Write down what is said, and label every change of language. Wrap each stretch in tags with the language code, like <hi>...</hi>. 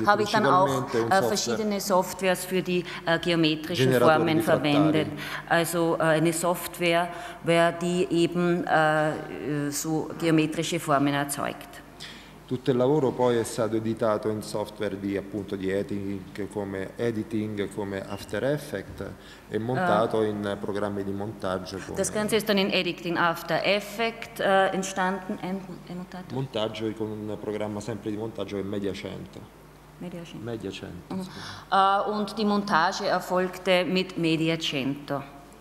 <de>habe ich dann auch verschiedene Softwares für die geometrischen Formen verwendet. Also eine Software, die eben so geometrische Formen erzeugt.</de> <it>Tutto il lavoro poi è stato editato in software di, appunto, di editing come After Effects e montato in programmi di montaggio. Come</it> <de>das Ganze ist dann in Editing After Effects entstanden, montato?</de> <it>Montaggio con un programma sempre di montaggio che è MediaCentro. MediaCentro.</it> <de>Und die Montage erfolgte mit MediaCentro.</de>